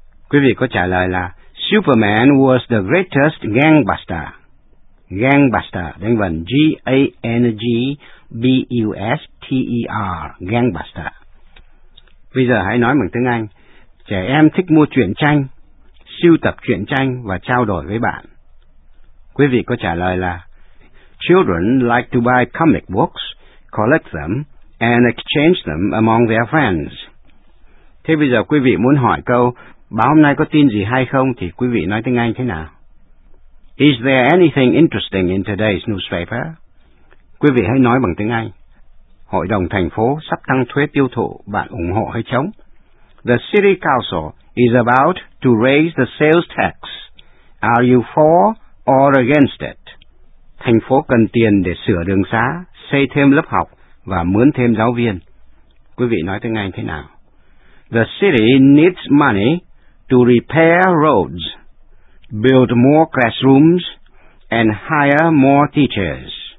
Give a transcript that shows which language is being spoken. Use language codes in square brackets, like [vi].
[vi] Quý vị có trả lời là [en] Superman was the greatest gangbuster. [vi] Gangbuster, đánh vần G-A-N-G-B-U-S-T-E-R, gangbuster. Bây giờ hãy nói bằng tiếng Anh. Trẻ em thích mua truyện tranh, sưu tập truyện tranh và trao đổi với bạn. Quý vị có trả lời là [en] Children like to buy comic books, collect them, and exchange them among their friends. [vi] Thế bây giờ quý vị muốn hỏi câu, báo hôm nay có tin gì hay không thì quý vị nói tiếng Anh thế nào? [en] Is there anything interesting in today's newspaper? [vi] Quý vị hãy nói bằng tiếng Anh. Hội đồng thành phố sắp tăng thuế tiêu thụ, bạn ủng hộ hay chống? [en] The city council is about to raise the sales tax. Are you for or against it? [vi] Thành phố cần tiền để sửa đường xá, xây thêm lớp học và mướn thêm giáo viên. Quý vị nói tiếng Anh thế nào? [en] The city needs money to repair roads. Build more classrooms and hire more teachers.